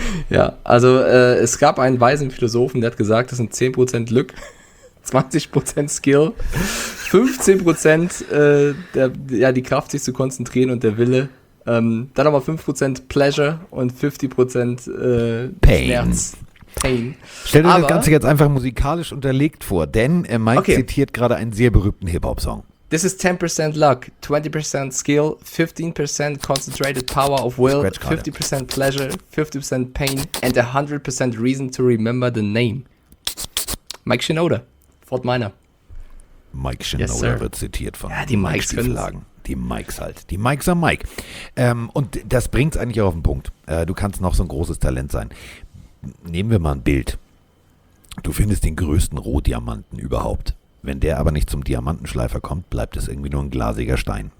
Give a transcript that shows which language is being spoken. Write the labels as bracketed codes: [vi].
[de] Ja, also es gab einen weisen Philosophen, der hat gesagt, das sind 10% Glück, 20% Skill, 15% die Kraft, sich zu konzentrieren und der Wille. Dann aber 5% Pleasure und 50% [en] Pain. Schmerz. Pain. [de] Stell dir das Ganze jetzt einfach musikalisch unterlegt vor, denn Mike zitiert gerade einen sehr berühmten Hip-Hop-Song. [en] This is 10% luck, 20% skill, 15% concentrated power of will, 50% pleasure, 50% pain and 100% reason to remember the name. Mike Shinoda, Fort Minor. [de] Mike Shinoda, [en] yes, sir, [de] wird zitiert von, ja, die Mike Stiefelhagen. Die Mikes halt. Die Mikes am Mike. Und das bringt es eigentlich auch auf den Punkt. Du kannst noch so ein großes Talent sein. Nehmen wir mal ein Bild. Du findest den größten Rohdiamanten überhaupt. Wenn der aber nicht zum Diamantenschleifer kommt, bleibt es irgendwie nur ein glasiger Stein.